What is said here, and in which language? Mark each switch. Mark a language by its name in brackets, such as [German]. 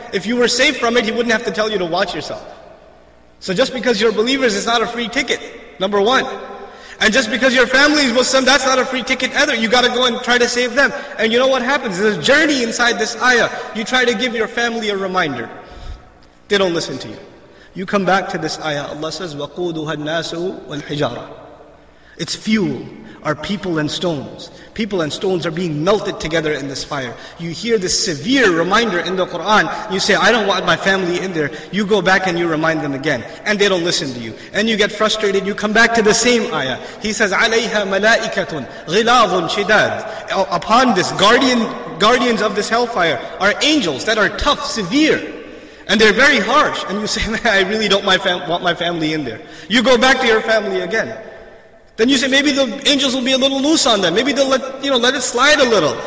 [English] If you were safe from it, He wouldn't have to tell you to watch yourself. So just because you're believers, it's not a free ticket, number one. And just because your family is Muslim, that's not a free ticket either. You gotta go and try to save them. And you know what happens? There's a journey inside this ayah. You try to give your family a reminder. They don't listen to you. You come back to this ayah. [Arabic] Allah says, وَقُودُهَا النَّاسُ وَالْحِجَارَةُ. [English] It's fuel. Are people and stones. People and stones are being melted together in this fire. You hear this severe reminder in the Quran. You say, I don't want my family in there. You go back and you remind them again. And they don't listen to you. And you get frustrated. You come back to the same ayah. [Arabic] He says, عَلَيْهَا مَلَائِكَةٌ غِلَاظٌ شِدَادٌ. [English] Upon this, guardians of this hellfire are angels that are tough, severe. And they're very harsh. And you say, man, I really don't want my family in there. You go back to your family again. Then you say, maybe the angels will be a little loose on them. Maybe they'll let it slide a little.